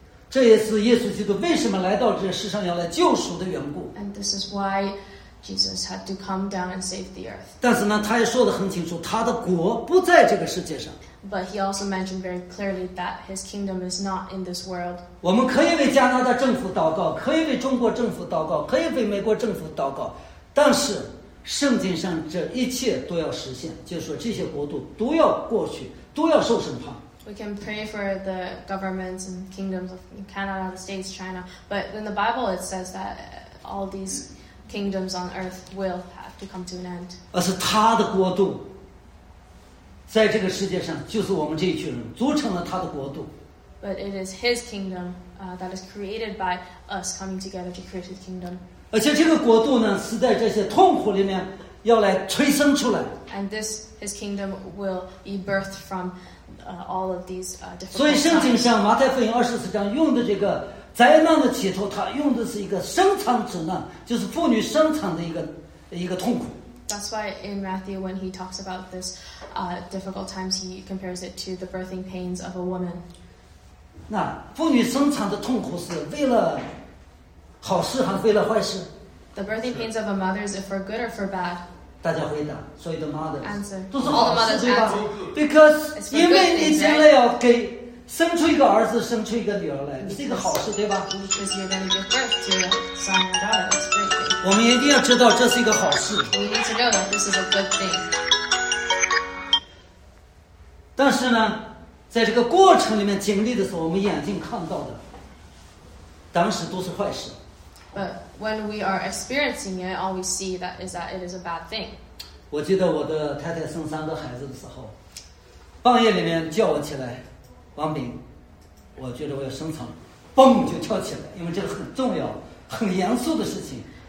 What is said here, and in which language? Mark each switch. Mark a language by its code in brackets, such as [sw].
[zh] 这也是耶稣基督为什么来到这世上要来救赎的缘故。 [en] And this is why Jesus had to come down and save the earth. [zh] 但是呢，他也说得很清楚，他的国不在这个世界上。 [en] But he also mentioned very clearly that his kingdom is not in this world. [zh] 我们可以为加拿大政府祷告，可以为中国政府祷告，可以为美国政府祷告，但是圣经上这一切都要实现，就是说这些国度都要过去，都要受审判。 [en] We can pray for the governments and kingdoms of Canada, the States, China, but in the Bible it says that all these kingdoms on earth will have to come to an end. [zh] 而是他的国度。在这个世界上，就是我们这一群人组成了他的国度。 [en] But it is his kingdom, that is created by us coming together to create his kingdom. [zh] 而且这个国度呢，是在这些痛苦里面要来催生出来。 [en] And this, his kingdom will be birthed from all of these different. [zh] 所以圣经上马太福音二十四章用的这个灾难的起头，它用的是一个生产者呢，就是妇女生产的一个痛苦。 [en] That's why in Matthew, when he talks about this difficult times, he compares it to the birthing pains of a woman. [zh] 那妇女生产的痛苦是为了好事还是为了坏事？ [en] The birthing pains of a mother, is it for good or for bad? [zh] 大家回答，所有的 mothers [en] answer, [zh] 都是好事 [en] answer, [zh] 对吧？ [en] Because [zh] 因为你将来要给生出一个儿子，生出一个女儿来，是一个好事，对吧？ [en] Because you're going to give birth to your son and daughter, it's a great thing. [zh] 我们一定要知道这是一个好事。 [en] We need to know that this is a good thing. [zh] 但是呢，在这个过程里面经历的时候，我们眼睛看到的，当时都是坏事。 [en] But when we are experiencing it, all we see that is that it is a bad thing. [zh] 我记得我的太太生三个孩子的时候，半夜里面叫我起来。王炳，我觉得我要生产，嘣就跳起来，因为这个很重要、很严肃的事情。